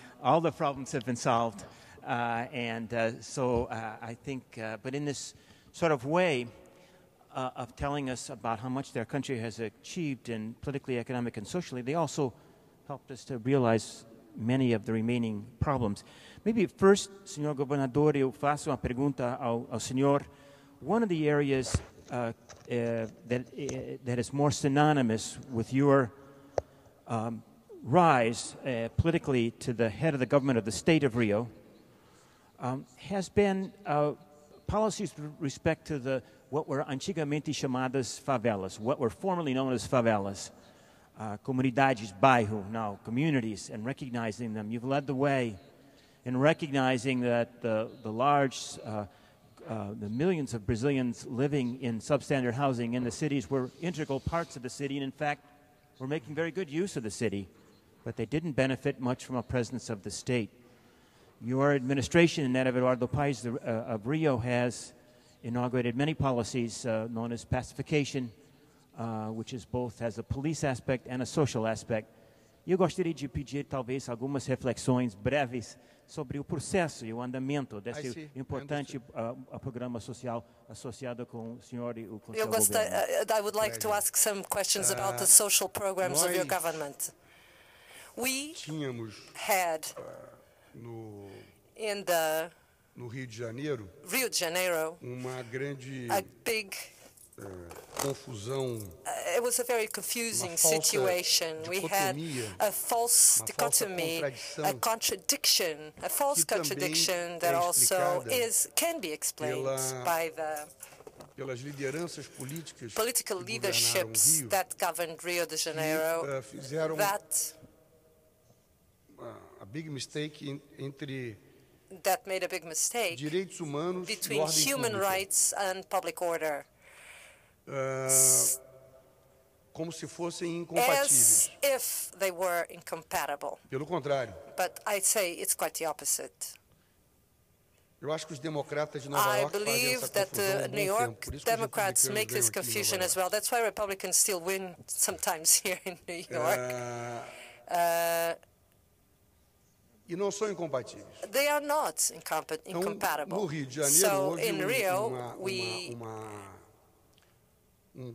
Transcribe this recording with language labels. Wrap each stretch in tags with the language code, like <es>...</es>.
<en>All the problems have been solved. But in this sort of way of telling us about how much their country has achieved in politically, economic, and socially, they also helped us to realize many of the remaining problems. Maybe first,</en> <pt>Senhor Governador, eu faço uma pergunta ao senhor.</pt> <en>One of the areas that is more synonymous with your rise politically to the head of the government of the state of Rio has been policies with respect to the what were</en> <pt>antigamente chamadas favelas,</pt> <en>what were formerly known as favelas,</en> <pt>comunidades, bairro,</pt> <en>now communities, and recognizing them. You've led the way in recognizing that the large, the millions of Brazilians living in substandard housing in the cities were integral parts of the city, and in fact, were making very good use of the city, but they didn't benefit much from a presence of the state. Your administration, and that of Eduardo Paes of Rio, has inaugurated many policies known as pacification, which is both has a police aspect and a social aspect.</en> <pt>Eu gostaria de pedir, talvez, algumas reflexões breves sobre o processo e o andamento desse importante programa social associado com o senhor e o com seu governo.</pt> <en>I would like to ask some questions about the social programs of your government. We had in the</en> <pt>Rio de Janeiro, uma grande,</pt> <en>a big</en> <pt>confusão,</pt> <en>it was a very confusing situation. We had a false dichotomy, a contradiction, a false contradiction that also can be explained by the</en> <pt>pelas lideranças políticas</pt> <en>political leaderships</en> <pt>Rio,</pt> <en>that governed Rio de Janeiro,</en> <pt>que, fizeram</pt> <en>that a big mistake entre that made a big mistake</en> <pt>direitos humanos</pt> <en>between human rights and public order.</en> <pt>Como se fossem incompatíveis.</pt> <en>As if they were incompatible.</en> <pt>Pelo contrário.</pt> <en>But I'd say it's quite the opposite.</en> <pt>Eu acho que os democratas de Nova York fazem essa confusão há um bom tempo. Por isso</pt> <en>New York Democrats make this confusion as well. That's why Republicans still win sometimes here in New York.</en> <pt>E não são incompatíveis.</pt> <en>They are not incompatible.</en> <pt>Então, no Rio de Janeiro,</pt> <en>so</en> <pt>hoje,</pt> <en>in Rio,</en>